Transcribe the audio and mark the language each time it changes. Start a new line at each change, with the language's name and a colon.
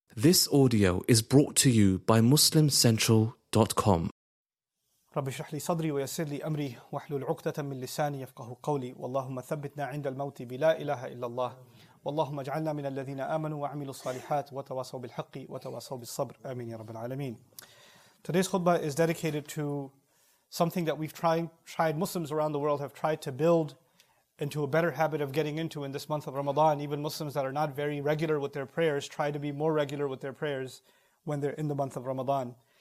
English: This audio is brought to you by MuslimCentral.com.
Arabic: رب اشرح لي صدري ويسر لي امري واحلل عقدة من لساني يفقهوا قولي واللهم ثبتنا عند الموت بلا اله الا الله واللهم اجعلنا من الذين امنوا وعملوا الصالحات وتواصوا بالحق وتواصوا بالصبر امين يا رب العالمين.
English: Today's khutbah is dedicated to something that we've tried Muslims around the world have tried to build into a better habit of getting into in this month of Ramadan. Even Muslims that are not very regular with their prayers try to be more regular with their prayers when they're in the month of Ramadan.